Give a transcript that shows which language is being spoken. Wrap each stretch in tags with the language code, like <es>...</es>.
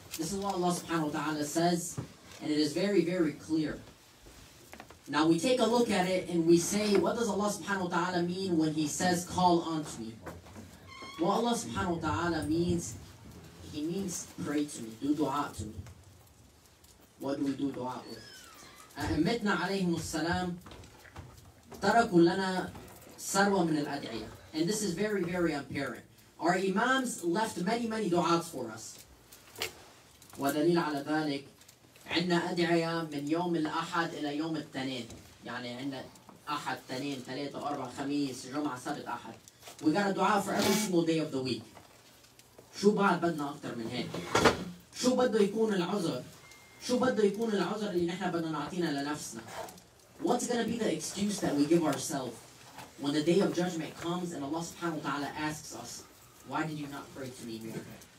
<en>This is what Allah سبحانه وتعالى says, and it is very, very clear. Now we take a look at it and we say, what does Allah سبحانه وتعالى mean when He says, call unto me? What Allah سبحانه وتعالى means, He means pray to me, do dua to me. What do we do dua with?</en> <ar>أئمتنا عليهم السلام تركوا لنا سروة من الأدعية.</ar> <en>And this is very, very apparent. Our imams left many, many du'as for us.</en> <ar>ودليل على ذلك عندنا أدعية من يوم الأحد إلى يوم الاثنين. يعني عندنا أحد، اثنين، ثلاثة، أربعة، خميس، جمعة، سبت، أحد.</ar> <en>We got a dua for every single day of the week.</en> <ar>شو بعد بدنا أكثر من هيك؟ شو بده يكون العذر؟ شو بده يكون العذر اللي نحن بدنا نعطينا لنفسنا؟</ar> <en>What's gonna be the excuse that we give ourselves when the day of judgment comes and Allah subhanahu wa ta'ala asks us, why did you not pray to me more?</en>